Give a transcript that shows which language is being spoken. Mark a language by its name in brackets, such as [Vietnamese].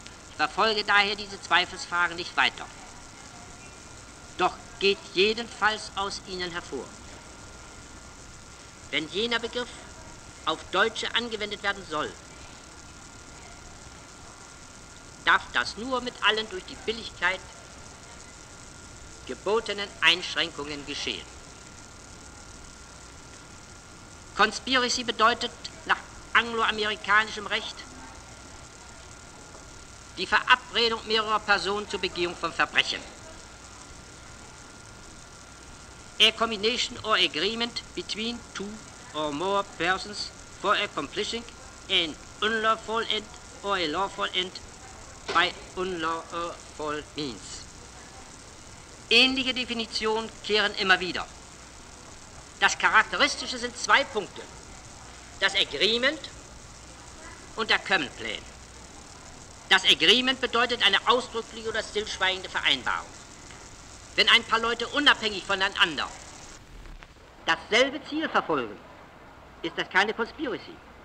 [German] Ich verfolge daher diese Zweifelsfragen nicht weiter. Doch geht jedenfalls aus ihnen hervor, wenn jener Begriff auf Deutsche angewendet werden soll, darf das nur mit allen durch die Billigkeit gebotenen Einschränkungen geschehen. Conspiracy bedeutet nach angloamerikanischem Recht die Verabredung mehrerer Personen zur Begehung von Verbrechen. [English] A combination or agreement between two or more persons for accomplishing an unlawful end or a lawful end by unlawful means. [German] Ähnliche Definitionen kehren immer wieder. Das Charakteristische sind zwei Punkte, das Agreement und der Common Plan. Das Agreement bedeutet eine ausdrückliche oder stillschweigende Vereinbarung, wenn ein paar Leute unabhängig voneinander dasselbe Ziel verfolgen, ist das keine Conspiracy.